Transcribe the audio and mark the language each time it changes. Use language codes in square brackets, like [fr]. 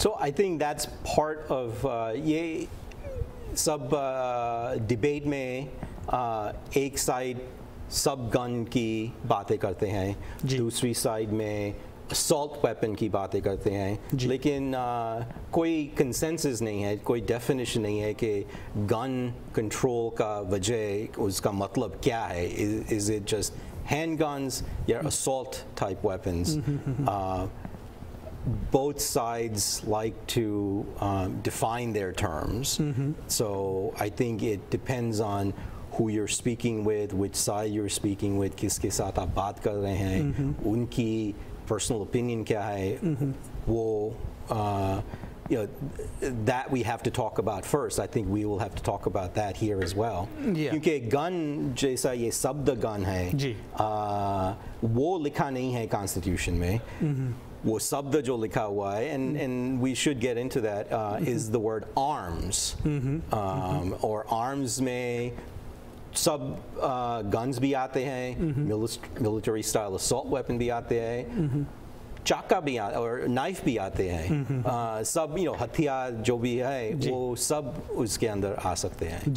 [en] so I think that's part of [hi] ये सब debate में एक साइड सब गन की बातें करते हैं, दूसरी साइड में असॉल्ट वेपन की बातें करते हैं, लेकिन कोई कंसेंसस नहीं है, कोई डेफिनेशन नहीं है कि गन कंट्रोल का वजह उसका मतलब क्या है. [en] Is it just hand guns या assault type weapons? Both sides like to define their terms. So I think it depends on who you're speaking with, which side you're speaking with, [hi] किसके साथ आप बात कर रहे हैं, उनकी personal opinion क्या है, वो [en] you know, that we have to talk about first. I think we will have to talk about that here as well. Yeah. [hi] क्योंकि gun जैसा ये शब्द gun है, वो लिखा नहीं है constitution में. वो शब्द जो लिखा हुआ है, [en] And we should get into that, is the word arms. [hi] और आर्म्स में सब गन्स भी आते हैं, मिलिट्री स्टाइल असॉल्ट वेपन भी आते हैं, चाका भी आते और नाइफ भी आते हैं, सब यू नो हथियार जो भी है वो सब उसके अंदर आ सकते हैं.